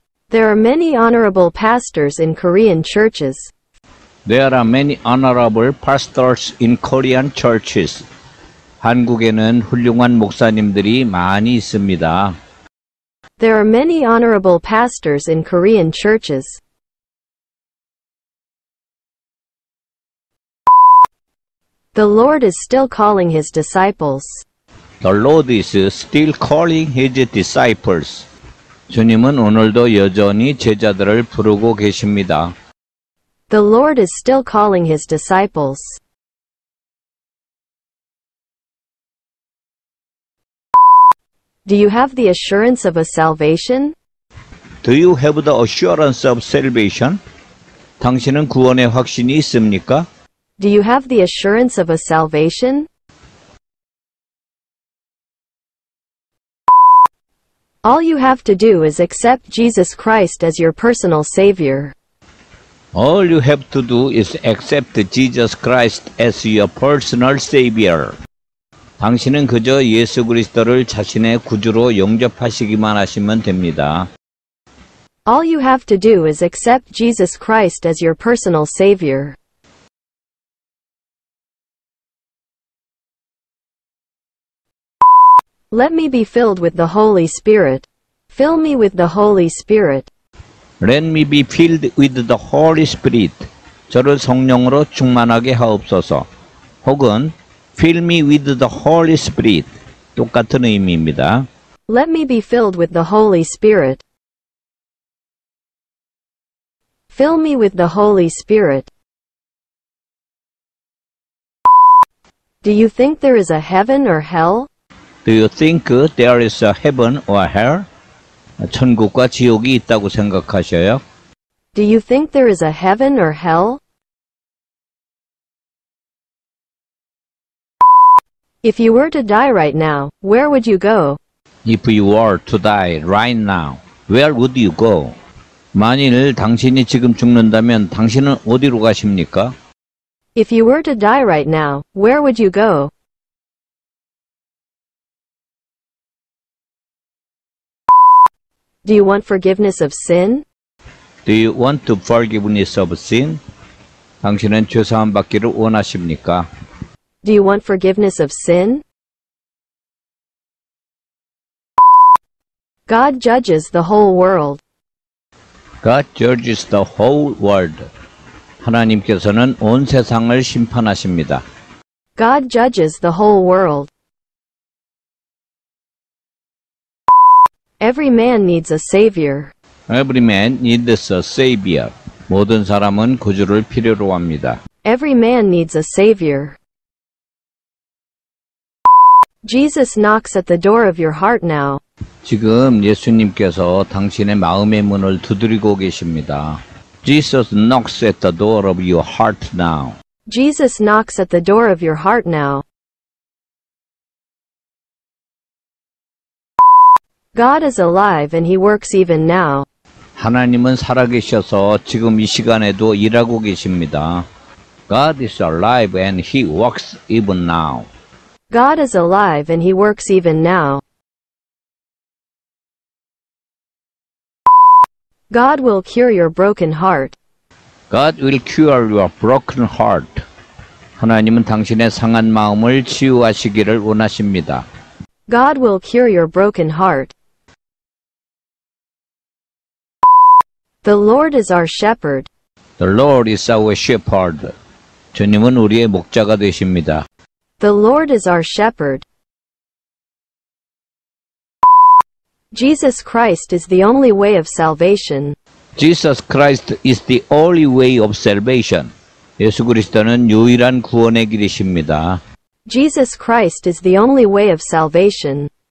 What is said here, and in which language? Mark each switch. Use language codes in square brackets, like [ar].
[en] There are many honorable pastors in Korean churches. There are many honorable pastors in Korean churches. [ko] 한국에는 훌륭한 목사님들이 많이 있습니다. [en] There are many honorable pastors in Korean churches. The Lord is still calling His disciples. The Lord is still calling His disciples. [ko] 주님은 오늘도 여전히 제자들을 부르고 계십니다. [en] The Lord is still calling His disciples. Do you have the assurance of a salvation? Do you have the assurance of salvation? [ko] 당신은 구원의 확신이 있습니까? [en] Do you have the assurance of a salvation? All you have to do is accept Jesus Christ as your personal savior. All you have to do is accept Jesus Christ as your personal savior. [ko] 당신은 그저 예수 그리스도를 자신의 구주로 영접하시기만 하시면 됩니다. [en] All you have to do is accept Jesus Christ as your personal savior. Let me be filled with the Holy Spirit. Fill me with the Holy Spirit. Let me be filled with the Holy Spirit. [ko] 저를 성령으로 충만하게 하옵소서. 혹은 [en] Fill me with the Holy Spirit. [ko] 똑같은 의미입니다. [en] Let me be filled with the Holy Spirit. Fill me with the Holy Spirit. Do you think there is a heaven or hell? Do Do you think there is a heaven or hell? [ko] 천국과 지옥이 있다고 생각하셔요? [en] Do you think there is a heaven or hell? If you were to die right now, where would you go? If you were to die right now, where would you go? [ko] 만일 당신이 지금 죽는다면 당신은 어디로 가십니까? [en] If you were to die right now, where would you go? Do you want forgiveness of sin? Do you want to forgiveness of sin? [ko] 당신은 죄사함 받기를 원하십니까? [en] Do you want forgiveness of sin? God judges the whole world. God judges the whole world. [ko] 하나님께서는 온 세상을 심판하십니다. [en] God judges the whole world. Every man needs a savior. Every man needs a savior. [ko] 모든 사람은 구주를 필요로 합니다. [en] Every man needs a savior. Jesus knocks at the door of your heart now. [ko] 지금 예수님께서 당신의 마음의 문을 두드리고 계십니다. [en] Jesus knocks at the door of your heart now. Jesus knocks at the door of your heart now. God is alive and he works even now. [ko] 하나님은 살아계셔서 지금 이 시간에도 일하고 계십니다. [en] God is alive and he works even now. God is alive and he works even now. God will cure your broken heart. God will cure your broken heart. [ko] 하나님은 당신의 상한 마음을 치유하시기를 원하십니다. [en] God will cure your broken heart. The Lord is our shepherd. The Lord is our shepherd. [ko] 주님은 우리의 목자가 되십니다. [en] The Lord is our shepherd. Jesus Christ is the only way of salvation. Jesus Christ is the only way of salvation. [ko] 예수 그리스도는 유일한 구원의 길이십니다. [en] Jesus Christ is the only way of salvation.